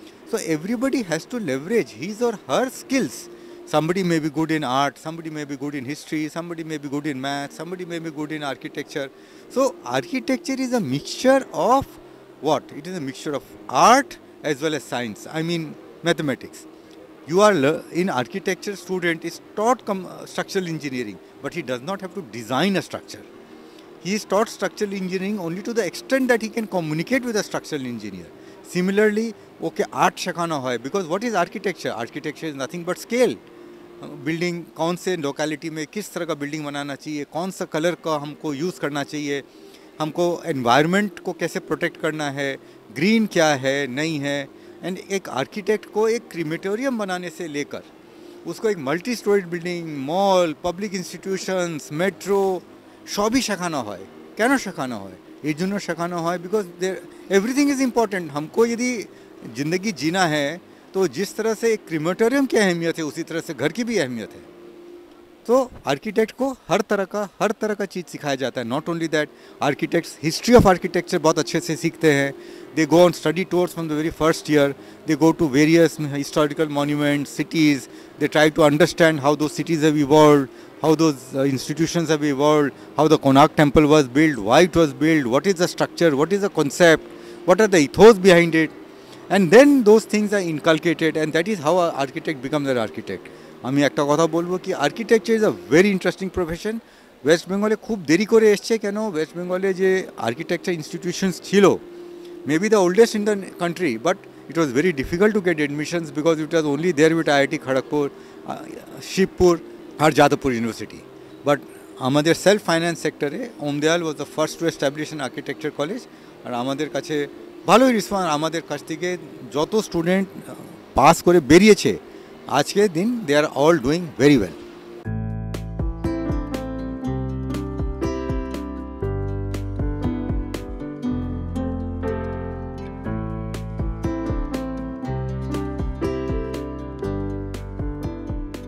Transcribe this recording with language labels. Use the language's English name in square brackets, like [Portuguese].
[English] So everybody has to leverage his or her skills. Somebody may be good in art, somebody may be good in history, somebody may be good in math, somebody may be good in architecture. So architecture is a mixture of what, it is a mixture of art as well as science, I mean mathematics. You are in architecture student is taught structural engineering, but he does not have to design a structure. He is taught structural engineering only to the extent that he can communicate with a structural engineer. Similarly, art [Bangla] shekhana hoy, [English] because what is architecture? Architecture is nothing but scale. [Hindi] Building कौन से locality में किस तरह का building बनाना चाहिए, कौन सा colour का हमको यूज़ करना चाहिए, हमको एनवायरनमेंट को कैसे प्रोटेक्ट करना है, ग्रीन क्या है नहीं है. एंड एक आर्किटेक्ट को एक क्रीमेटोरियम बनाने से लेकर उसको एक multi storeyed building, mall, public institutions, metro सब ही शेखाना है. क्यों शेखाना है? ये जो शेखाना है [English] Because there everything is important. [Hindi] हमको यदि जिंदगी जीना है तो जिस तरह से एक क्रीमेटोरियम की अहमियत है उसी तरह से घर की भी अहमियत है. तो आर्किटेक्ट को हर तरह का चीज़ सिखाया जाता है. [English] not only that, [Hindi] architects history of architecture बहुत अच्छे से सीखते हैं. [English] They go on study tours from the very first year. They go to various historical monument cities. They try to understand how those cities have evolve, how those institutions have evolve, how the Konark temple was build, why it was build, what is the structure, what is the concept, what are the ethos behind it. And then those things are inculcated, and that is how an architect becomes an architect. [Bangla] আমি একটা কথা বলবো কি [English] architecture is a very interesting profession. [Bangla] West Bengal এ খুব দেরি করে এসছে কেন? [English] West Bengal এ যে architecture institutions ছিল, maybe the oldest in the country, but it was very difficult to get admissions because it was only there with IIT Kharagpur, Shibpur, আর Jadavpur University. But আমাদের self-finance sector এ Omdeyal was the first to establish an architecture college, [Bangla] আর আমাদের কাছে ভালোই response. আমাদের কাছ থেকে যত student pass করে বেরিয়েছে আজকে দিন, [English] They are all doing very well.